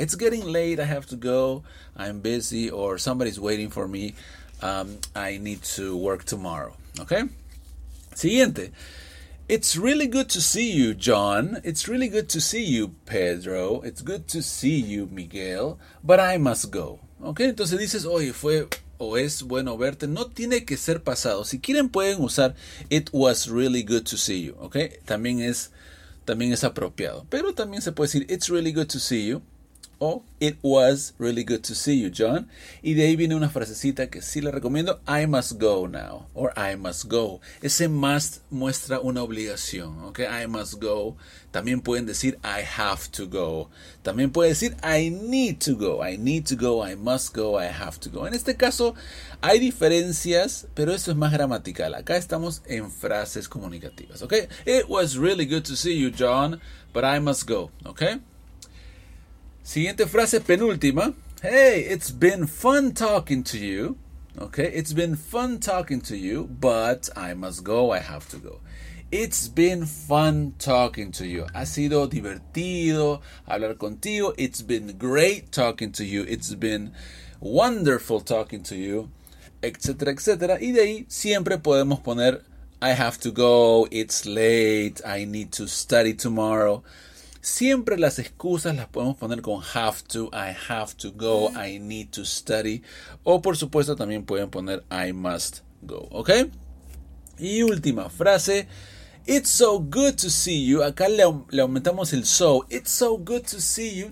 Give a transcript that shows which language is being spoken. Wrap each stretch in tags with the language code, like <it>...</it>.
<en>It's getting late, I have to go, I'm busy, or somebody's waiting for me, I need to work tomorrow, ¿ok?</en> <es>Siguiente.</es> <en>It's really good to see you, John. It's really good to see you, Pedro. It's good to see you, Miguel, but I must go, ¿ok?</en> <es>Entonces dices, oye, fue o es bueno verte, no tiene que ser pasado.</es> <en>Si quieren pueden usar, it was really good to see you, ¿ok?</en> <es>También es apropiado. Pero también se puede decir, it's really good to see you.</es> <en>O, it was really good to see you, John.</en> <es>Y de ahí viene una frasecita que sí le recomiendo.</es> <en>I must go now. Or I must go.</en> <es>Ese must muestra una obligación.</es> <en>Okay? I must go.</en> <es>También pueden decir</es> <en>I have to go.</en> <es>También puede decir</es> <en>I need to go. I need to go. I must go. I have to go.</en> <es>En este caso hay diferencias, pero eso es más gramatical. Acá estamos en frases comunicativas. Okay?</es> <en>It was really good to see you, John. But I must go. Okay?</en> <es>Siguiente frase, penúltima.</es> <en>Hey, it's been fun talking to you. Okay, it's been fun talking to you, but I must go, I have to go. It's been fun talking to you.</en> <es>Ha sido divertido hablar contigo.</es> <en>It's been great talking to you. It's been wonderful talking to you, etc., etc.</en> <es>Y de ahí siempre podemos poner,</es> <en>I have to go, it's late, I need to study tomorrow.</en> <es>Siempre las excusas las podemos poner con</es> <en>have to, I have to go, I need to study.</en> <es>O por supuesto también pueden poner</es> <en>I must go,</en> <es>¿ok? Y última frase,</es> <en>it's so good to see you.</en> <es>Acá le aumentamos el so,</es> <en>it's so good to see you.</en>